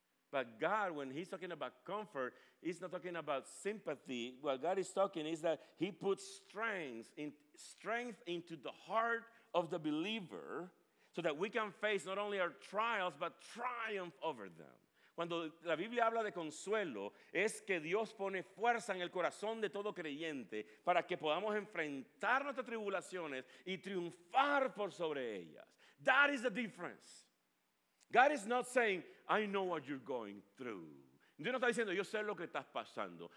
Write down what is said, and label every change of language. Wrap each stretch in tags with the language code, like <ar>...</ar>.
<en>But God, when he's talking about comfort, he's not talking about sympathy. What God is talking is that he puts strength into the heart of the believer so that we can face not only our trials, but triumph over them.</en> <es>Cuando la Biblia habla de consuelo, es que Dios pone fuerza en el corazón de todo creyente para que podamos enfrentar nuestras tribulaciones y triunfar por sobre ellas.</es> <en>That is the difference. God is not saying, I know what you're going through.</en> <es>Dios no está diciendo, yo sé lo que estás pasando.</es>